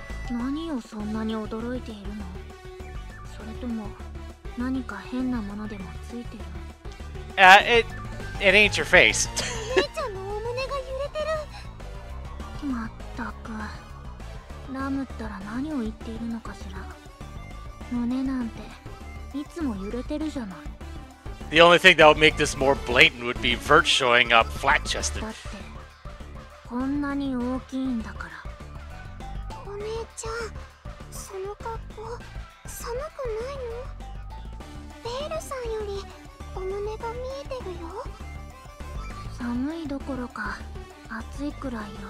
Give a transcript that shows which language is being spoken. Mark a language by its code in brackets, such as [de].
[ja] 何をそんなに驚いているの。それとも何か変なものでもついてる。 [en] It ain't your face. [ja] お姉ちゃんのお胸が揺れてる。まったく。ラムったら何を言っているのかしら。胸なんていつも揺れてるじゃない。 [en] The only thing that would make this more blatant would be Vert showing up flat chested. [ja] だってこんなに大きいんだから。お姉ちゃん、その格好寒くないの。ベールさんよりお胸が見えてるよ。寒いどころか暑いくらいよ。